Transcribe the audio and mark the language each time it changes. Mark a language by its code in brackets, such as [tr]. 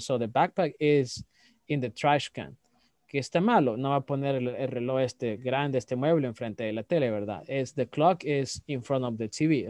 [en] So the backpack is in the trash can. [es] ¿Qué está malo? No va a poner el reloj este grande, este mueble enfrente de la tele, ¿verdad? [en] Es the clock is in front of the TV.